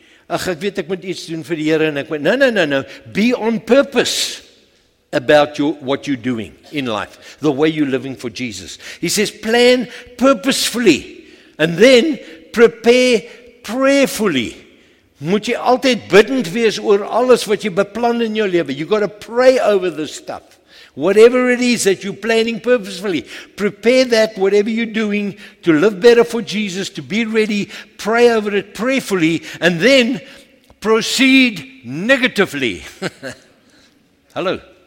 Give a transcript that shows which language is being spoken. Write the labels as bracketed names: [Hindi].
[Afrikaans] Ach, ek weet ek moet iets doen vir die Here en ek moet. [English] No. Be on purpose about what you're doing in life, the way you're living for Jesus. He says, plan purposefully and then prepare prayerfully. [Afrikaans] Moet jy altyd bidend wees oor alles wat jy beplan in jou lewe. [English] You got to pray over this stuff. Whatever it is that you're planning purposefully, prepare that, whatever you're doing, to live better for Jesus, to be ready, pray over it prayerfully, and then proceed negatively. Hello.